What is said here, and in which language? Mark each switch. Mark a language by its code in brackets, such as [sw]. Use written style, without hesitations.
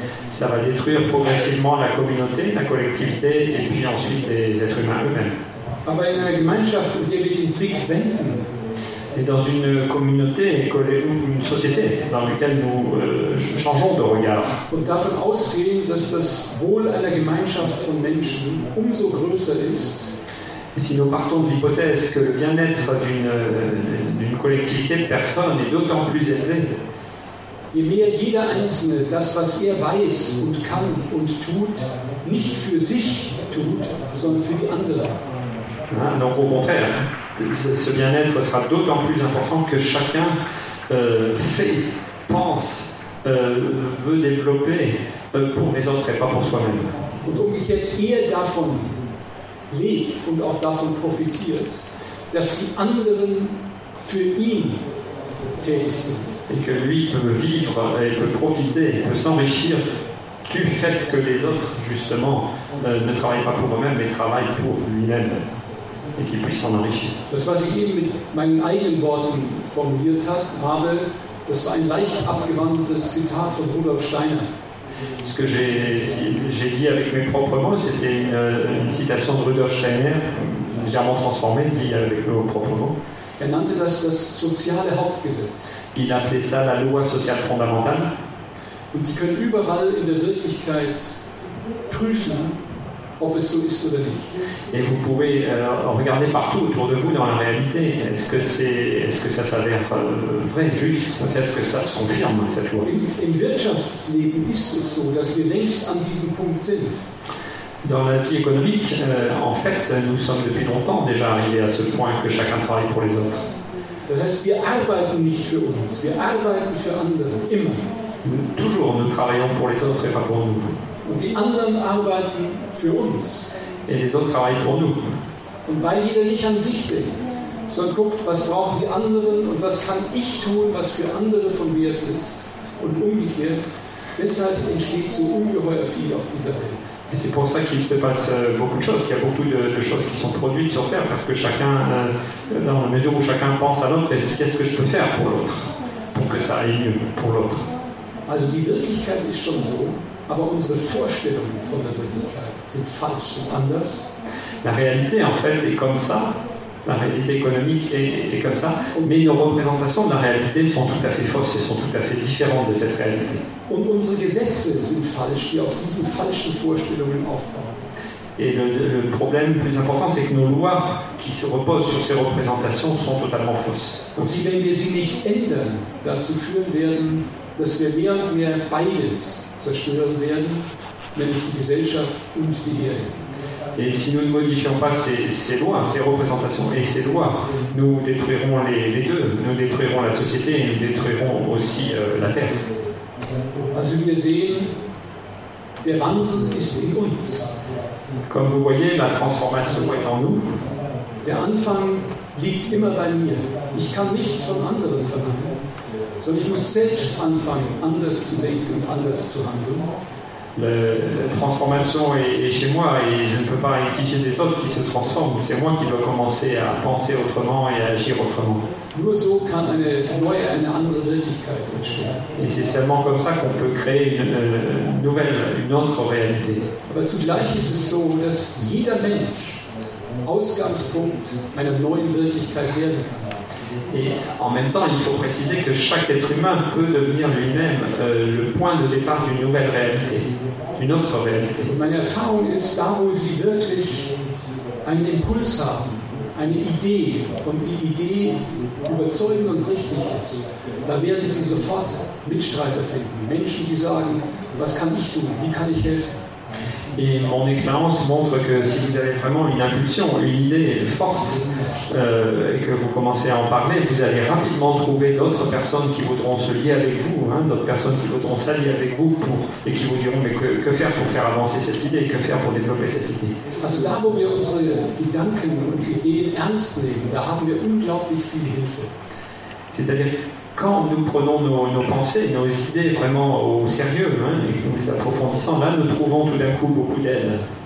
[fr] Ça va détruire progressivement la communauté, la collectivité et puis ensuite les êtres humains eux-mêmes. [de] Aber in einer Gemeinschaft, in der wir den Blick wenden, [fr] et dans une communauté ou une société dans laquelle nous changeons de regard, [de] und davon ausgehen, dass das Wohl einer Gemeinschaft von Menschen umso größer ist, [fr] et si nous partons de l'hypothèse que le bien-être d'une, d'une collectivité de personnes est d'autant plus élevé, [de] je mehr jeder Einzelne das, was er weiß und kann und tut, nicht für sich tut, sondern für die anderen. [fr] Hein, donc au contraire, ce bien-être sera d'autant plus important que chacun fait, pense, veut développer pour les autres et pas pour soi-même. [de] Und umgekehrt, er davon lebt und auch davon profitiert, dass die anderen für ihn tätig sind. [fr] Et que lui peut vivre et peut profiter, peut s'enrichir du fait que les autres, justement, ne travaillent pas pour eux-mêmes, mais travaillent pour lui-même. Et qu'il puisse s'en enrichir. [de] Das, was ich eben mit meinen eigenen Worten formuliert habe, das war ein leicht abgewandeltes Zitat von Rudolf Steiner. [fr] Ce que j'ai dit avec mes propres mots, c'était une citation de Rudolf Steiner, légèrement transformée, dit avec mes propres mots. [de] Er nannte das das soziale Hauptgesetz. [fr] Il appelait ça la loi sociale fondamentale. [de] Und Sie können überall in der Wirklichkeit prüfen, ob es so ist oder nicht. [fr] Et vous pouvez regarder partout autour de vous dans la réalité. Est-ce que ça s'avère vrai, juste? Est-ce que ça se confirme, cette loi? [de] Im Wirtschaftsleben ist es so, dass wir längst an diesem Punkt sind. [fr] Dans la vie économique, en fait, nous sommes depuis longtemps déjà arrivés à ce point que chacun travaille pour les autres. [de] Das heißt, wir arbeiten nicht für uns, wir arbeiten für andere, immer. [fr] Toujours, nous travaillons pour les autres et pas pour nous. [de] Und die anderen arbeiten für uns. [fr] Et les autres travaillent pour nous. [de] Und weil jeder nicht an sich denkt, sondern guckt, was brauchen die anderen und was kann ich tun, was für andere von Wert ist. Und umgekehrt, deshalb entsteht so ungeheuer viel auf dieser Welt. [fr] Et c'est pour ça qu'il se passe beaucoup de choses. Il y a beaucoup de choses qui sont produites sur Terre parce que chacun, dans la mesure où chacun pense à l'autre, il se dit qu'est-ce que je peux faire pour l'autre, pour que ça aille mieux pour l'autre. [de] Also, die Wirklichkeit ist schon so, aber unsere Vorstellungen von der Wirklichkeit sind falsch, sind anders. [fr] La réalité, en fait, est comme ça. La réalité économique est comme ça. Mais nos représentations de la réalité sont tout à fait fausses et sont tout à fait différentes de cette réalité. [de] Und unsere Gesetze sind falsch, die auf diesen falschen Vorstellungen aufbauen. [fr] Et le problème plus important, c'est que nos lois qui se reposent sur ces représentations sont totalement fausses. [de] Und wenn wir sie nicht ändern, dazu führen werden, dass wir mehr und mehr beides zerstören werden, nämlich die Gesellschaft und die Ehe. [fr] Et si nous ne modifions pas ces lois, ces représentations et ces lois, nous détruirons les deux. Nous détruirons la société et nous détruirons aussi la Terre. [de] Also wir sehen, der Wandel ist in uns. [fr] Comme vous voyez, la transformation est en nous. [de] Der Anfang liegt immer bei mir. Ich kann nichts von anderen verlangen, sondern ich muss selbst anfangen, anders zu denken und anders zu handeln. [fr] La transformation est chez moi et je ne peux pas exiger des autres qui se transforment. C'est moi qui dois commencer à penser autrement et à agir autrement. [de] Nur so kann eine neue, eine andere Wirklichkeit entstehen. [fr] Et c'est seulement comme ça qu'on peut créer une autre réalité. [de] Aber zugleich ist es so, dass jeder Mensch Ausgangspunkt einer neuen Wirklichkeit werden kann. [fr] Et en même temps, il faut préciser que chaque être humain peut devenir lui-même le point de départ d'une nouvelle réalité, d'une autre réalité. [de] Meine Erfahrung ist, da wo sie wirklich einen Impuls haben, eine Idee, und die Idee überzeugend und richtig ist, da werden sie sofort Mitstreiter finden, Menschen, die sagen, was kann ich tun, wie kann ich helfen? [fr] Et mon expérience montre que si vous avez vraiment une impulsion, une idée forte, et que vous commencez à en parler, vous allez rapidement trouver d'autres personnes qui voudront se lier avec vous, hein, d'autres personnes qui voudront s'allier avec vous pour, et qui vous diront mais que faire pour faire avancer cette idée, que faire pour développer cette idée. [de] Also [fr] là où [de] wir unsere Gedanken und Ideen ernst nehmen, da haben wir unglaublich viel Hilfe. [fr] C'est-à-dire quand nous prenons nos pensées, nos idées vraiment au sérieux, hein, et nous les approfondissons, là nous trouvons tout d'un coup beaucoup d'aide.